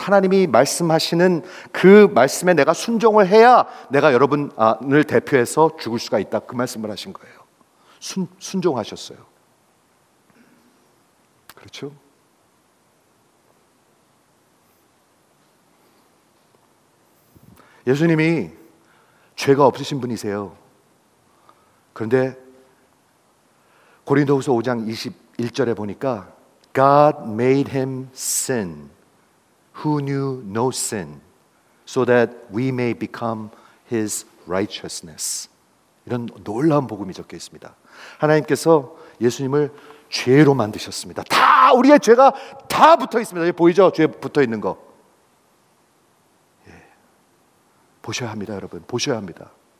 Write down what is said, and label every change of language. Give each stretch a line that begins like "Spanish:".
Korean: 하나님이 말씀하시는 그 말씀에 내가 순종을 해야 내가 여러분을 대표해서 죽을 수가 있다. 그 말씀을 하신 거예요. 순종하셨어요. 그렇죠? 예수님이 죄가 없으신 분이세요. 그런데 고린도후서 5장 21절에 보니까
English: God made him sin who knew no sin so that we may become his righteousness.
Korean: 이런 놀라운 복음이 적혀 있습니다. 하나님께서 예수님을 죄로 만드셨습니다. 다 우리의 죄가 다 붙어 있습니다. 보이죠? 죄 붙어 있는 거. 보셔야 합니다, 여러분. 보셔야 합니다.